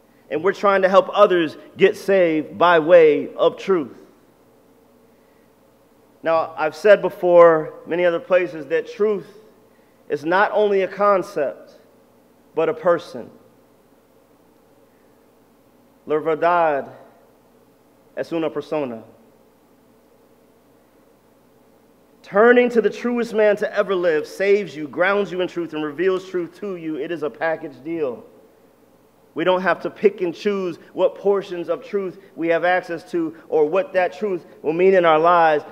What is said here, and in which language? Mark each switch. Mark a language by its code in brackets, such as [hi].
[en] And we're trying to help others get saved by way of truth. Now, I've said before many other places that truth is not only a concept, but a person. [es] La verdad es una persona. [en] Turning to the truest man to ever live saves you, grounds you in truth, and reveals truth to you. It is a package deal. We don't have to pick and choose what portions of truth we have access to or what that truth will mean in our lives.